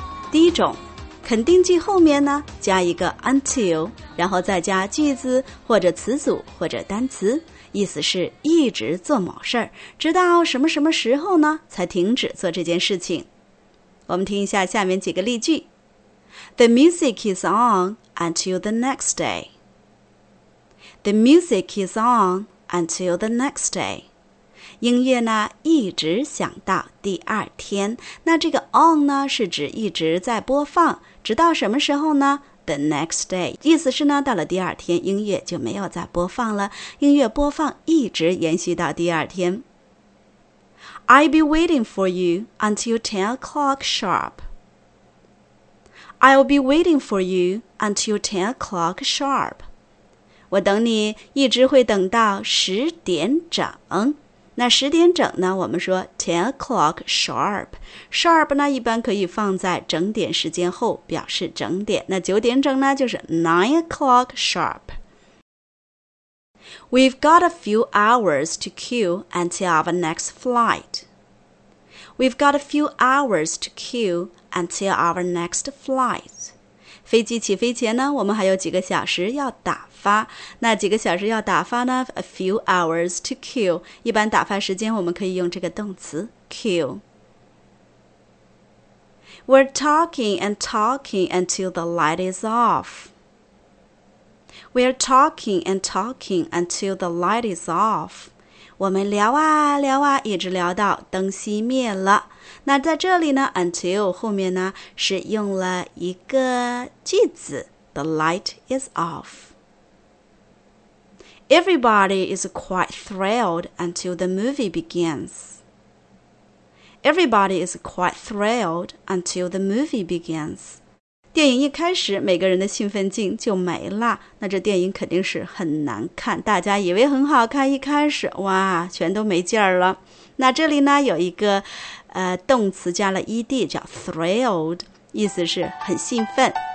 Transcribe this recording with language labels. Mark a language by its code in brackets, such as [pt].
[zh] 第一种，肯定句后面呢加一个 until， 然后再加句子或者词组或者单词。意思是一直做某事儿，直到什么什么时候呢才停止做这件事情。我们听一下下面几个例句。 [en] The music is on until the next day. The music is on until the next day. [zh] 音乐呢一直响到第二天。那这个 on 呢是指一直在播放，直到什么时候呢？ [en] The next day， [zh] 意思是呢，到了第二天，音乐就没有再播放了，音乐播放一直延续到第二天。 [en] I'll be waiting for you until 10 o'clock sharp. I'll be waiting for you until 10 o'clock sharp. [zh] 我等你一直会等到十点整。那十点整呢，我们说 10 o'clock sharp， sharp 呢一般可以放在整点时间后表示整点。那九点整呢就是 [en] 9 o'clock sharp。We've got a few hours to queue until our next flight. We've got a few hours to queue until our next flight. [zh] 飞机起飞前呢，我们还有几个小时要打发，那几个小时要打发呢 ？ [en] A few hours to kill. [zh] 一般打发时间我们可以用这个动词 kill. [en] We're talking and talking until the light is off. We're talking and talking until the light is off. [zh] 我们聊啊聊啊，一直聊到灯熄灭了。那在这里呢 ，until 后面呢是用了一个句子 ， [en] the light is off. Everybody is quite thrilled until the movie begins. Everybody is quite thrilled until the movie begins. [zh] 电影一开始，每个人的兴奋劲就没了，那这电影肯定是很难看。大家以为很好看，一开始，哇，全都没劲儿了。那这里呢，有一个，动词加了 ed， 叫 thrilled， 意思是很兴奋。